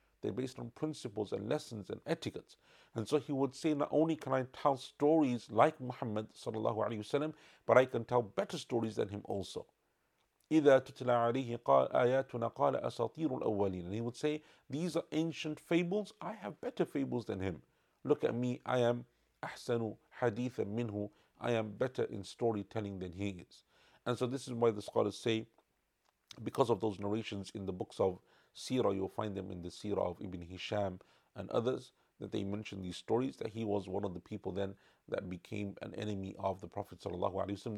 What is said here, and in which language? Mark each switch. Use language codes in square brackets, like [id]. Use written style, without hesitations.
[en] They're based on principles and lessons and etiquettes. And so he would say, not only can I tell stories like Muhammad sallallahu alayhi wasallam, but I can tell better stories than him also. [ar] إِذَا تُتْلَى عَلَيْهِ آيَاتُنَا قَالَ أَسَاطِيرُ الْأَوَّلِينَ. [en] And he would say, these are ancient fables. I have better fables than him. Look at me. I am [ar] أَحْسَنُ حَدِيثًا مِّنْهُ. [en] I am better in storytelling than he is. And so this is why the scholars say, because of those narrations in the books of Sirah, you'll find them in the Sirah of Ibn Hisham and others, that they mention these stories, that he was one of the people then that became an enemy of the Prophet sallallahu alaihi wasallam.